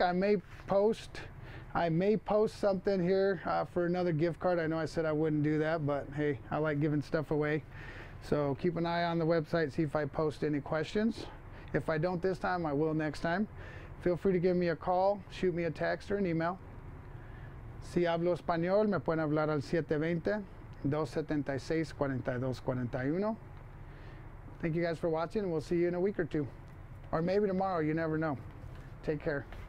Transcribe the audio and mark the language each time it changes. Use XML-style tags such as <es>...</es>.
<en>I may post something here for another gift card. I know I said I wouldn't do that, but hey, I like giving stuff away. So keep an eye on the website, see if I post any questions. If I don't this time, I will next time. Feel free to give me a call, shoot me a text or an email.</en> <es>Si hablo español, me pueden hablar al 720-276-4241.</es> <en>Thank you guys for watching, and we'll see you in a week or two. Or maybe tomorrow, you never know. Take care.</en>